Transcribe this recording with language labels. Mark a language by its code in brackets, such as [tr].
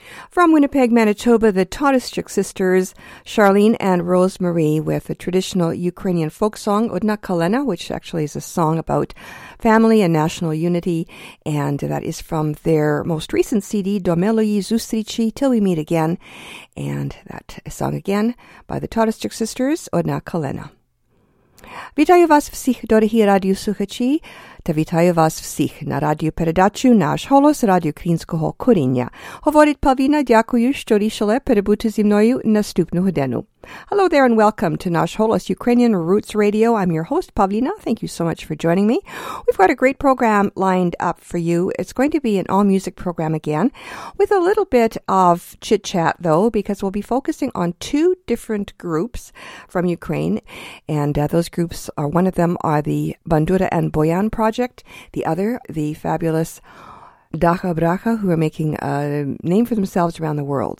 [en] From Winnipeg, Manitoba, the Todestrick sisters, Charlene and Rose Marie, with a traditional Ukrainian folk song, Odna Kalena, which actually is a song about family and national unity, and that is from their most recent CD, Domeloyi Zustrichi, Till We Meet Again, and that song again by the Todestrick sisters, Odna Kalena. [uk] Вітаю вас всіх, дорогі радіослухачі, та вітаю вас всіх на радіопередачу «Наш голос» Радіо Українського коріння. Говорить Павіна, дякую, що рішили перебути зі мною наступну годину. [en] Hello there and welcome to «Наш голос» Ukrainian Roots Radio. I'm your host, Павіна. Thank you so much for joining me. We've got a great program lined up for you. It's going to be an all-music program again, with a little bit of chit-chat, though, because we'll be focusing on two different groups from Ukraine, and those groups are, one of them are the Bandura and Boyan Project, the other, the fabulous Dacha Bracha, who are making a name for themselves around the world.